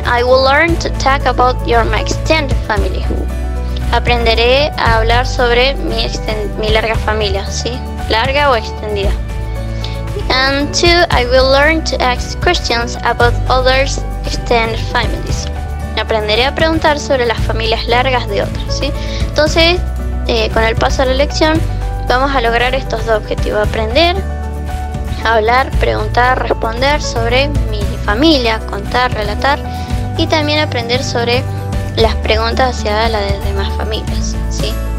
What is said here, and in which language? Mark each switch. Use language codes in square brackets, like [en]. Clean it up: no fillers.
[en] I will learn to talk about your my extended family. [es] Aprenderé a hablar sobre mi larga familia, ¿sí? Larga o extendida. [en] And 2. I will learn to ask questions about others' extended families. [es] aprenderé a preguntar sobre las familias largas de otros, ¿sí? Entonces, con el paso de la lección, vamos a lograr estos dos objetivos: aprender a hablar, preguntar, responder sobre mi familia, contar, relatar, y también aprender sobre las preguntas hacia las de demás familias, ¿sí?